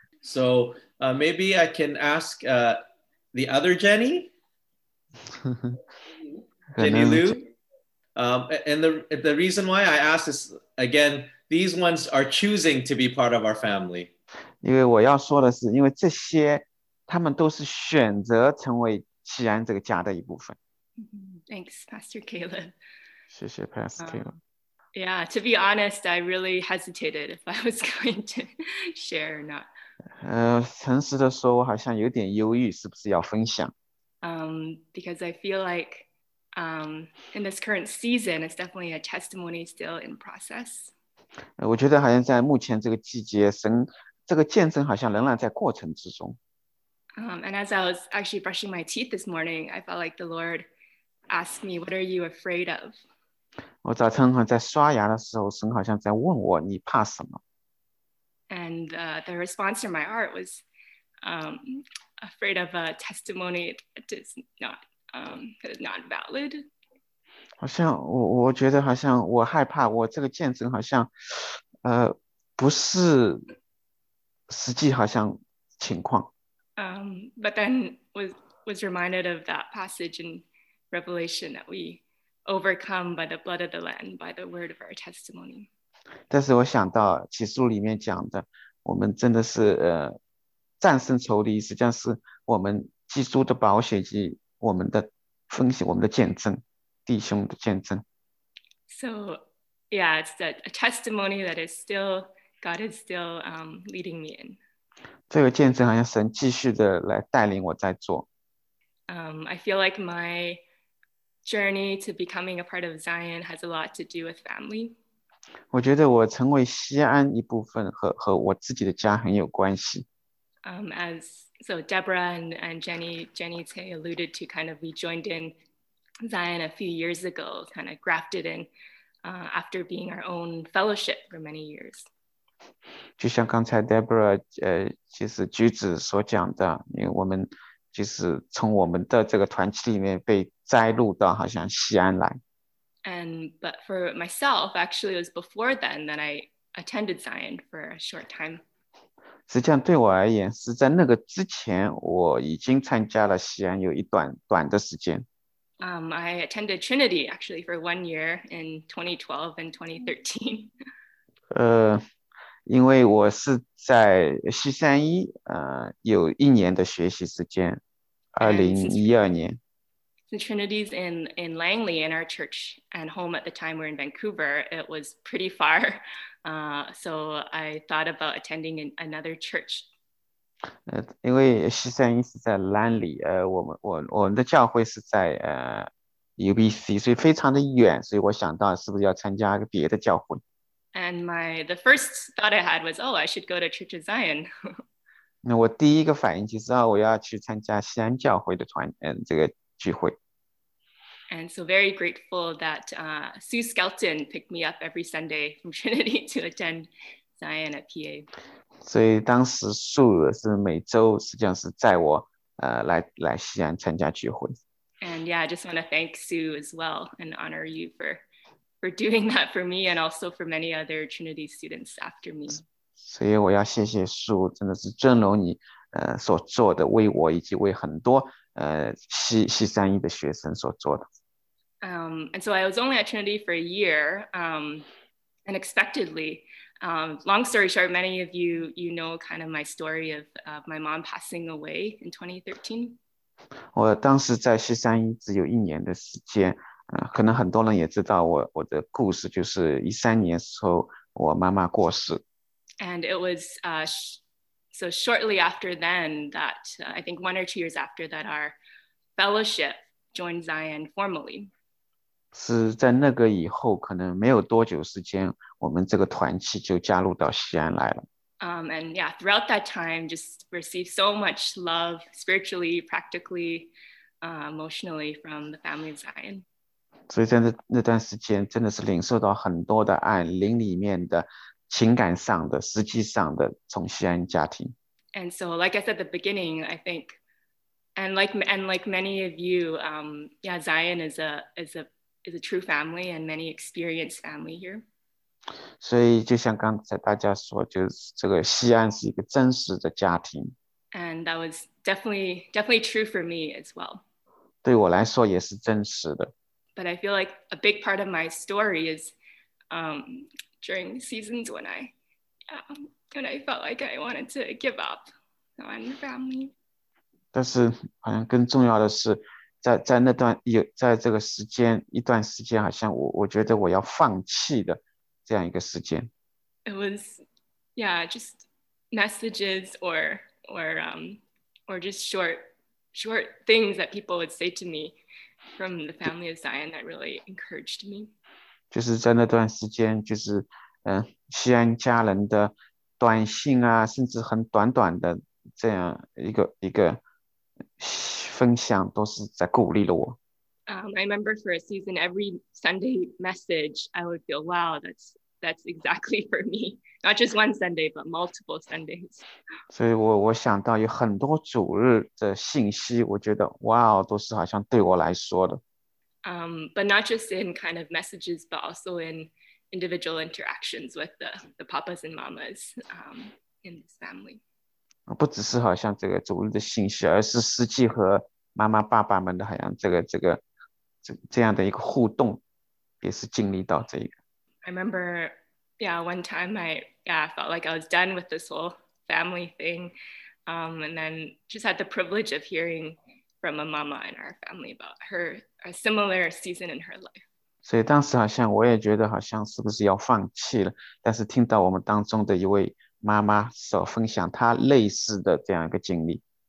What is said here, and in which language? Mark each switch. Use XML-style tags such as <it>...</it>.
<en>So maybe I can ask the other Jenny. Jenny Lu. And the reason why I ask is, again, these ones are choosing to be part of our family.</en> <zh>因为我要说的是，因为这些他们都是选择成为祈安这个家的一部分。</zh> <en>Thanks, Pastor Caleb.</en> <zh>谢谢 Pastor Caleb.</zh> <en>Yeah, to be honest, I really hesitated if I was going to share or not.</en> <zh>诚实的说，我好像有点犹豫，是不是要分享。</zh> <en>Because I feel like, in this current season, it's definitely a testimony still in process.</en> <zh>我觉得好像在目前这个季节，神这个见证好像仍然在过程之中。</zh> <en>And as I was actually brushing my teeth this morning, I felt like the Lord asked me, "What are you afraid of?"</en> <zh>我早晨在刷牙的时候，神好像在问我，你怕什么？</zh> <en>And the response to my heart was, "Afraid of a testimony that is not valid."</en> <zh>好像我觉得好像我害怕我这个见证好像，不是实际好像情况。</zh> <en>But then was reminded of that passage in Revelation that we overcome by the blood of the Lamb, by the word of our testimony.</en> <zh>但是我想到启示录里面讲的，我们真的是战胜仇敌，实际上是我们基督的宝血及我们的分享，我们的见证，弟兄的见证。</zh> <en>So, yeah, it's a testimony that is still, God is still leading me in.</en> <zh>这个见证好像神继续的来带领我在做。</zh> <en>I feel like my journey to becoming a part of Zion has a lot to do with family.</en> <zh>我觉得我成为锡安一部分和我自己的家很有关系。</zh> <en>So Deborah and Jenny Tay alluded to kind of we joined in Zion a few years ago, kind of grafted in after being our own fellowship for many years.</en> <zh>就像刚才 Deborah 就是橘子所讲的，因为我们就是从我们的这个团契里面被摘录到好像锡安来。</zh> <en>But for myself, actually, it was before then that I attended Zion for a short time.</en> <zh>实际上对我而言，是在那个之前，我已经参加了锡安有一段短的时间。</zh> <en>I attended Trinity actually for 1 year in 2012 and 2013.</en> <zh>因为我是在西三一有一年的学习时间，2012年。</zh> <en>The Trinity's in Langley, and our church and home at the time were in Vancouver. It was pretty far, so I thought about attending another church.</en> <zh>因为西三一是在 Langley, 我们的教会是在UBC, 所以非常的远，所以我想到是不是要参加别的教会。</zh> <en>And the first thought I had was, oh, I should go to Church of Zion.</en> <zh>那我第一个反应就是，我要去参加锡安教会的团，这个聚会。</zh> <en>And so very grateful that Sue Skelton picked me up every Sunday from Trinity to attend Zion at PA.</en> <zh>所以当时素是每周实际上是载我来锡安参加聚会。</zh> <en>And yeah, I just want to thank Sue as well and honor you for doing that for me and also for many other Trinity students after me.</en> <zh>所以我要谢谢树，真的是正如你所做的，为我以及为很多西三一的学生所做的。</zh> <en>And so I was only at Trinity for a year, unexpectedly. Long story short, many of you know kind of my story of my mom passing away in 2013.</en> <zh>我当时在西三一只有一年的时间。可能很多人也知道我的故事，就是2013年时候我妈妈过世。</zh> <en>And it was so shortly after then that I think 1 or 2 years after that our fellowship joined Zion formally.</en> <zh>是在那个以后，可能没有多久时间，我们这个团契就加入到锡安来了。</zh> <en>And yeah, throughout that time, just received so much love spiritually, practically. emotionally from the family of Zion.</en> <zh>所以在那段时间真的是领受到很多的爱，灵里面的、情感上的、实际上的，从锡安家庭。</zh> <en>And so, like I said at the beginning, I think, and like many of you, Zion is a true family, and many experienced family here.</en> <zh>所以就像刚才大家说，就是这个锡安是一个真实的家庭。</zh> <en>And that was definitely true for me as well.</en> <zh>对我来说也是真实的。</zh> <en>But I feel like a big part of my story is during seasons when I felt like I wanted to give up on the family.</en> <zh>但是好像更重要的是在那段有在这个时间一段时间好像我觉得我要放弃的这样一个时间。</zh> <en>It was, yeah, just messages or just short things that people would say to me from the family of Zion that really encouraged me.</en> <zh>就是在那段时间就是西安家人的短信啊甚至很短短的这样一个分享都是在鼓励了我。</zh> <en>I remember for a season, every Sunday message, I would feel, wow, that's exactly for me. Not just one Sunday, but multiple Sundays.</en> <zh>所以我想到有很多主日的信息，我觉得wow，都是好像对我来说的。</zh> <en>But not just in kind of messages, but also in individual interactions with the papas and mamas in this family.</en> <zh>不只是好像这个主日的信息，而是实际和妈妈爸爸们的好像这样的一个互动，也是经历到这个。</zh> <en>I remember, one time I felt like I was done with this whole family thing, and then just had the privilege of hearing from a mama in our family about her a similar season in her life.</en> <zh>所以当时好像我也觉得好像是不是要放弃了，但是听到我们当中的一位妈妈所分享她类似的这样一个经历。</zh>